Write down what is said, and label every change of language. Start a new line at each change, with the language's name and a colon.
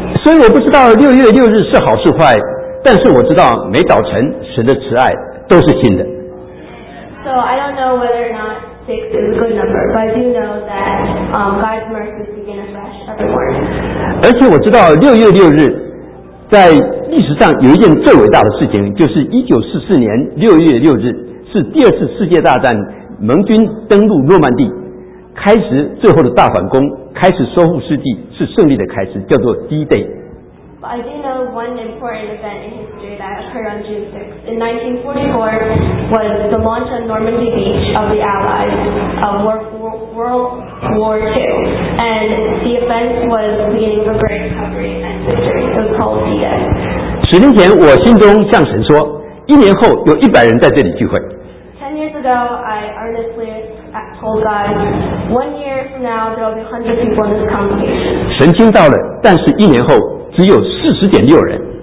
Chinese: 所以我不知道6月6日是好是坏，但是我知道每早晨神的慈爱都是新的。
English: So I don't know whether or not six is a good number, but I do know that God's mercy begins fresh every morning.
Chinese: 而且我知道6月6日在历史上有一件最伟大的事情，就是1944年6月6日是第二次世界大战盟军登陆诺曼底，开始最后的大反攻，开始收复失地，是胜利的开始，叫做 D-Day.
English: I do know one important event in history that occurred on June 6th in 1944 was the launch of Normandy Beach of the Allies of World War II, and the event was the beginning of a great recovery.
Chinese: 十年前我心中向神说一年后有100人在这里聚会。
English: 10 years ago I earnestly told God 1 year from now there will be 100 people in this congregation.
Chinese: 神听到了，但是一年后只有 40.6 人。